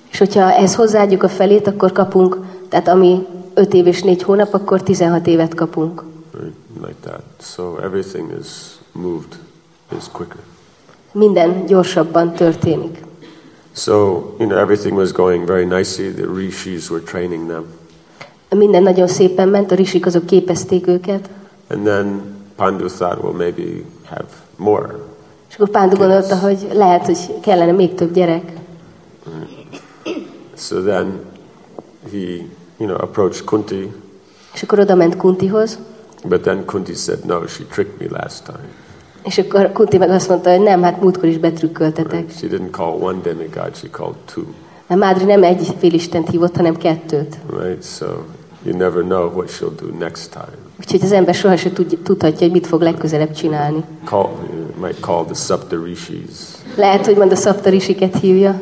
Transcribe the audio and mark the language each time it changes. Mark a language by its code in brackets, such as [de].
[hu] És hogyha ezt hozzáadjuk a felét, akkor kapunk, tehát ami 5 év és 4 hónap, akkor 16 évet kapunk. [en] Like that. So everything is quicker. [hu] Minden gyorsabban történik. [en] So, you know, everything was going very nicely. The rishis were training them. [hu] Minden nagyon szépen ment, a rishik azok képezték őket. [en] And then Pandu thought, well, maybe have more. [hu] És akkor Pandu gondolta, hogy lehet, hogy kellene még több gyerek. [en] So then he, you know, approached Kunti. [hu] És akkor oda ment Kuntihoz. [en] But then Kunti said, no, she tricked me last time. [hu] És akkor Kunti meg azt mondta, hogy nem, hát múltkor is betrükköltetek. [en] She didn't call one demigod, she called two. [hu] A Madri nem egy félistent hívott, hanem kettőt. [en] Right, so you never know what she'll do next time. [hu] Úgyhogy az ember sohasem tudhatja, hogy mit fog legközelebb csinálni. [en] Might call the Saptarishis. [hu] Lehet, hogy mondta Saptarishiket hívja.